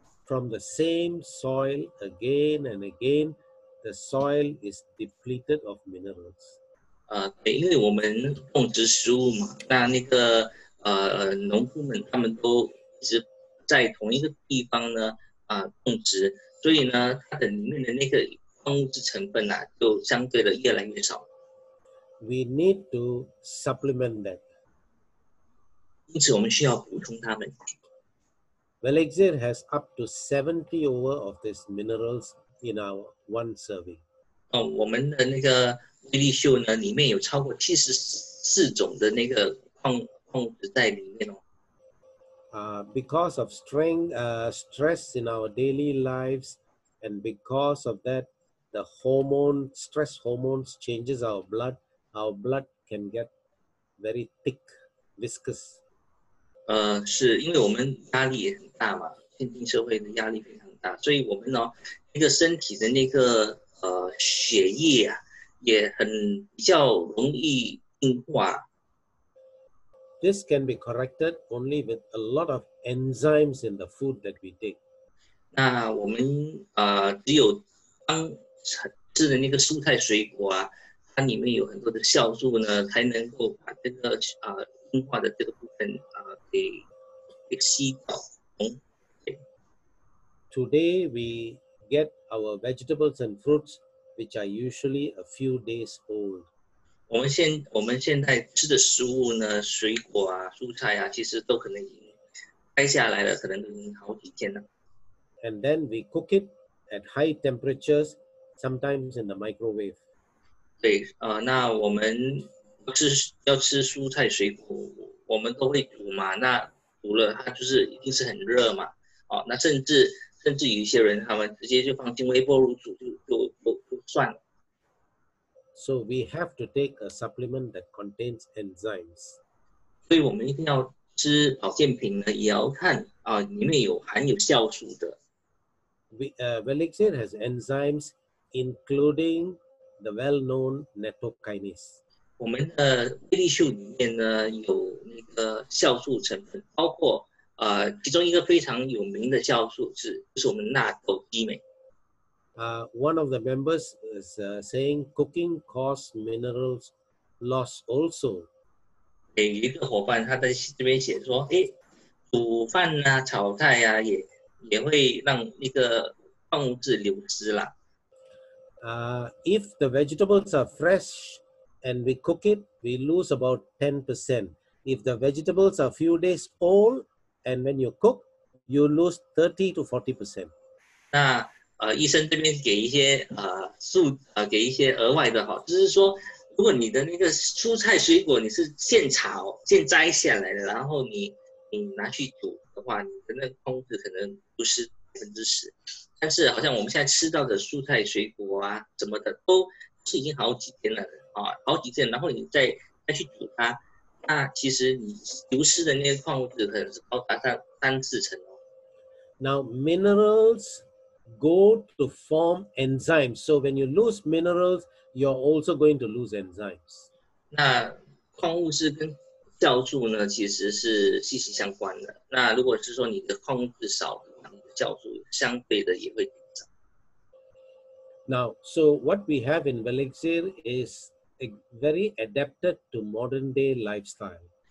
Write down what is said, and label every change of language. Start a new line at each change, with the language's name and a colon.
English: From the same soil again and again, the soil is depleted of minerals.
Chinese: 因为我们种植食物嘛，那个农夫们他们都一直在同一个地方呢种植，所以呢，它的里面的那个矿物质成分呢、就相对的越来越少。
English: We need to supplement that.
Chinese: 因此，我们需要补充它们。
English: Velixir has up to 70 over of these minerals in our one serving.
Chinese: 我们的那个威力秀呢，里面有超过74种的那个矿物质在里面哦。
English: because of stress in our daily lives, and because of that, the stress hormones changes our blood. Our blood can get very thick, viscous.
Chinese: 是因为我们压力也很大嘛，现今社会的压力非常大，所以我们呢，那个身体的那个血液啊，也很比较容易硬化。
English: This can be corrected only with a lot of enzymes in the food that we take.
Chinese: 那我们只有当吃的那个蔬菜水果啊，它里面有很多的酵素呢，才能够把这个硬化的这个部分给吸掉。
English: Today we get our vegetables and fruits, which are usually a few days old.
Chinese: 我们现在吃的食物呢，水果啊，蔬菜啊，其实都可能已经摘下来了，可能都已经好几天了。
English: And then we cook it at high temperatures, sometimes in the microwave.
Chinese: 对，那我们要吃蔬菜水果，我们都会煮嘛。那煮了它就是一定是很热嘛。哦，那甚至有一些人他们直接就放进微波炉煮就算了。
English: So we have to take a supplement that contains enzymes.
Chinese: 所以我们一定要吃保健品呢，也要看啊，里面有含有酵素的。
English: Velixir has enzymes, including the well-known nettokinase.
Chinese: 我们的威力秀里面呢有那个酵素成分，包括其中一个非常有名的酵素就是我们纳豆激酶。
English: One of the members is saying cooking causes minerals loss also.
Chinese: 有一个伙伴他在这边写说，煮饭啊，炒菜啊，也会让那个矿物质流失啦。
English: If the vegetables are fresh and we cook it, we lose about 10%. If the vegetables are a few days old and when you cook, you lose 30-40%.
Chinese: 医生这边给一些给一些额外的哈，就是说，如果你的那个蔬菜水果你是现炒现摘下来的，然后你拿去煮的话，你的那个矿物质可能不是10%，但是好像我们现在吃到的蔬菜水果啊什么的，都是已经好几天了啊，好几天，然后你再去煮它，那其实你流失的那个矿物质可能是高达3-4%哦。
English: Now minerals. Go to form enzymes. So when you lose minerals, you're also going to lose enzymes.
Chinese: 那矿物质跟酵素呢，其实是息息相关的。那如果是说你的矿物质少，酵素相对的也会减少。
English: Now, so what we have in Velixir is very adapted to modern day lifestyle.